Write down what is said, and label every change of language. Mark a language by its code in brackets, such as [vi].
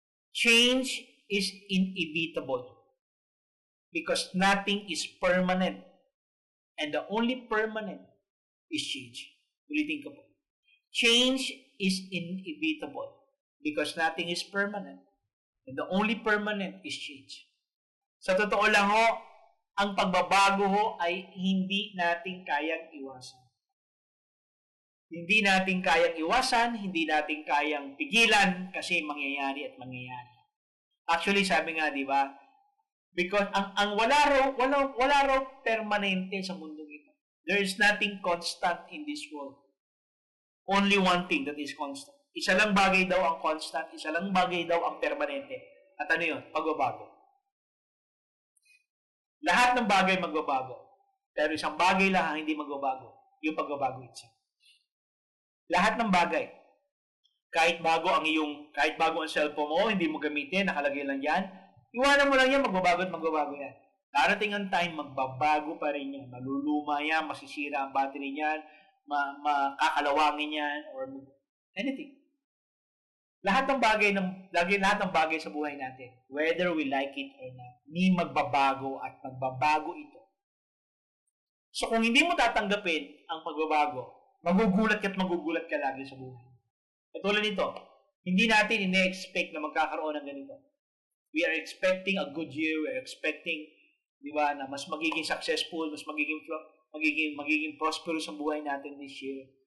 [en] Change is inevitable because nothing is permanent. And the only permanent is change. [tl] Ulitin ko po. [en] Change is inevitable because nothing is permanent. And the only permanent is change. [tl] Sa totoo lang ho, ang pagbabago ho ay hindi natin kayang iwasan. Hindi natin kayang iwasan, hindi natin kayang pigilan kasi mangyayari at mangyayari. Actually, sabi nga, di ba? Because ang wala raw permanente sa mundo ito. [en] There is nothing constant in this world. Only one thing that is constant. [tl] Isa lang bagay daw ang constant, isa lang bagay daw ang permanente. At ano yun? Pagbabago. Lahat ng bagay magbabago. Pero isang bagay lang ang hindi magbabago. Yung pagbabago itse. Lahat ng bagay. Kahit bago ang cellphone mo, hindi mo gamitin, nakalagay lang yan. Iwanan mo lang yan, magbabago yan. Darating ang time, magbabago pa rin yan. Maluluma yan, masisira ang battery niyan, makakalawangin yan, or anything. Lahat ng bagay sa buhay natin, [en] whether we like it or not, [tl] may magbabago at magbabago ito. So kung hindi mo tatanggapin ang pagbabago, magugulat ka lagi sa buhay. At tulad nito, hindi natin ine-expect na magkakaroon ng ganito. [en] We are expecting a good year, we are expecting, di ba, [tl] na mas magiging successful, mas magiging prosperous ang buhay natin [en] this year.